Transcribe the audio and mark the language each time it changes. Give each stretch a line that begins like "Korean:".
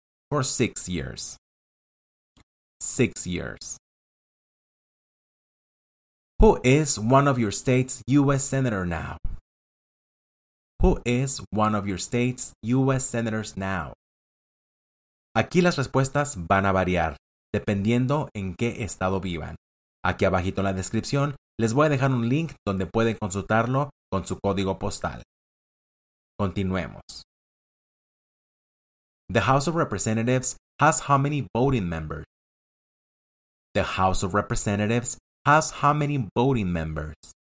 English: For 6 years. 6 years. Who is one of your state's U.S. senator now? Who is one of your state's U.S. senators now?
Spanish: Aquí las respuestas van a variar, dependiendo en qué estado vivan. Aquí abajito en la descripción, les voy a dejar un link donde pueden consultarlo con su código postal. Continuemos.
English: The House of Representatives has how many voting members? The House of Representatives has how many voting members?